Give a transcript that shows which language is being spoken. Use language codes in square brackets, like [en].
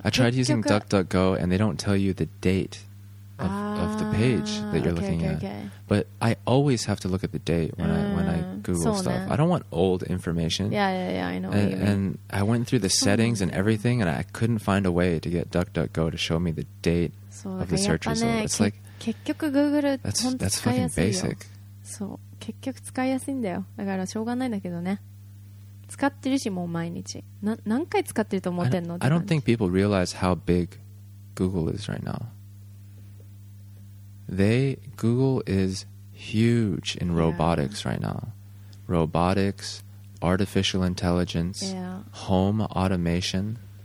[en] I tried using DuckDuckGo, and they don't tell you the date of the page that you're looking at. But I always have to look at the date when I Google stuff. I don't want old information. Yeah, I know. And I went through the settings and everything, and I couldn't find a way to get DuckDuckGo to show me the date of the search result. It's like, [ja] 結局 Google [en] that's fucking basic. [ja] そう。結局使いやすいんだよ。だからしょうがないんだけどね。使ってるしもう毎日。何回使ってると思ってんの？ [en] I don't think people realize how big Google is right now. Google is huge in robotics right now. Robotics, artificial intelligence, home automation.